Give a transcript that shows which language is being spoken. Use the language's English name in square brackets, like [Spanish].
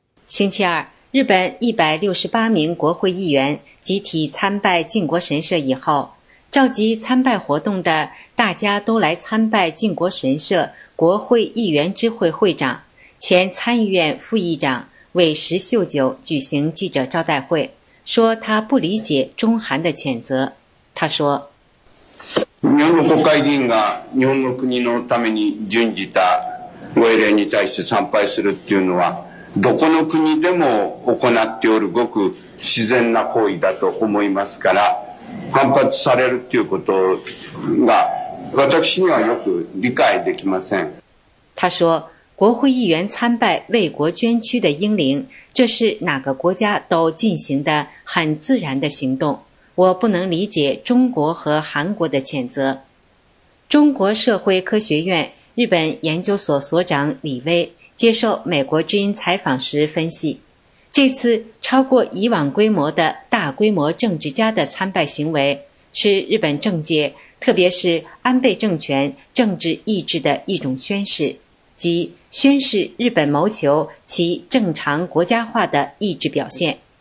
[Chinese] 星期二，日本168名国会议员集体参拜靖国神社以后，召集参拜活动的大家都来参拜靖国神社国会议员之会会长、前参议院副议长为石秀九举行记者招待会，说他不理解中韩的谴责。他说， [Japanese] 日本国会议员が日本の国のために準じた護衛令に対して参拝するっていうのは、どこの国でも行っておるごく自然な行為だと思いますから、反発されるっていうことが私にはよく理解できません。 [Chinese] 他说，国会议员参拜为国捐躯的英灵，这是哪个国家都进行的很自然的行动。我不能理解中国和韩国的谴责。中国社会科学院日本研究所所长李威接受美国之音采访时分析，这次超过以往规模的大规模政治家的参拜行为，是日本政界特别是安倍政权政治意志的一种宣示，即宣示日本谋求其正常国家化的意志表现。